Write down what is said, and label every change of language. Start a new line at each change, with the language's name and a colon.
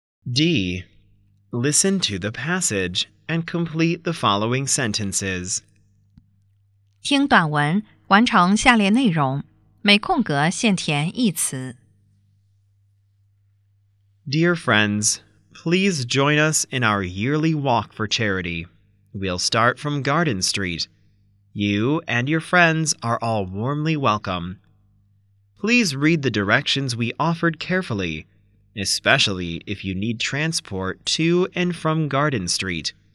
English: D. Listen to the passage and complete the following sentences.
Chinese: 听短文，完成下列内容，每空格限填一词。
English: Dear friends, please join us in our yearly walk for charity. We'll start from Garden Street. You and your friends are all warmly welcome. Please read the directions we offered carefully, especially if you need transport to and from Garden Street.